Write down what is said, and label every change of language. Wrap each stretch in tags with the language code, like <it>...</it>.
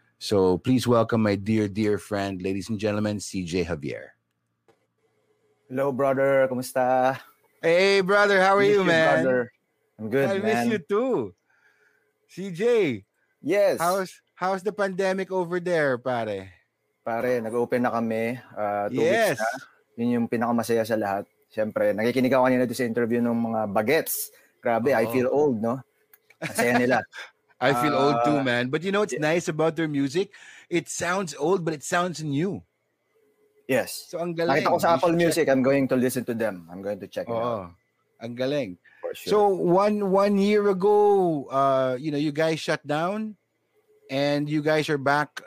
<en>So please welcome my dear, dear friend, ladies and gentlemen, CJ Javier. Hello, brother. Kumusta? Hey, brother. How are you, man? Brother. I'm good, man. I miss you too. CJ. Yes. How's the pandemic over there, pare?</en> <tl>Pare, nag-open na kami.</tl> <en>Two weeks</en> <tl>na. Yun yung pinakamasaya sa lahat. Siyempre, nakikinig ako kanina doon sa interview ng mga bagets.</tl> <en>Grabe, I feel old, no?</en> <tl>Masaya nila.</tl> <en>I feel old too, man. But you know what's nice about their music? It sounds old, but it sounds new. Yes.</en> <tl>So ang galing. Nakita ko sa Apple Music.</tl> <en>I'm going to listen to them. I'm going to check it out.</en> <tl>Ang galing.</tl> <en>For sure. So one year ago, you know, you guys shut down and you guys are back.</en>